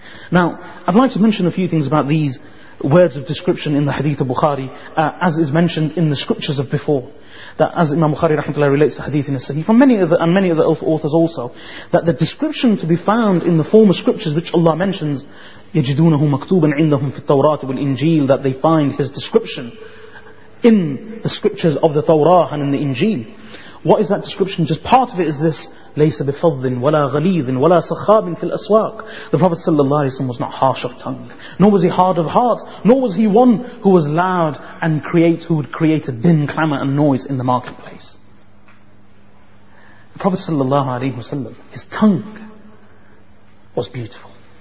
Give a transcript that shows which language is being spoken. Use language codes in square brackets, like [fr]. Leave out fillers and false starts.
[en] Now, I'd like to mention a few things about these words of description in the hadith of Bukhari, as is mentioned in the scriptures of before, that as Imam Bukhari rahmatullah relates the hadith in his sahih, from many other, and many other authors also, that the description to be found in the former scriptures which Allah mentions, [ar] يَجِدُونَهُ مَكْتُوبًا عِنْدَهُمْ فِي التَّوْرَاةِ وَالْإِنْجِيلِ, [en] that they find his description in the scriptures of the Tawrah and in the Injil. What is that description? Just part of it is this, [ar] لَيْسَ بِفَضٍّ وَلَا غَلِيظٍ وَلَا سَخَّابٍ فِي الْأَسْوَاقِ. [en] The Prophet sallallahu alayhi wa sallam was not harsh of tongue, nor was he hard of heart, nor was he one who was loud and who would create a din, clamor and noise in the marketplace. The Prophet sallallahu alayhi wa sallam, his tongue was beautiful.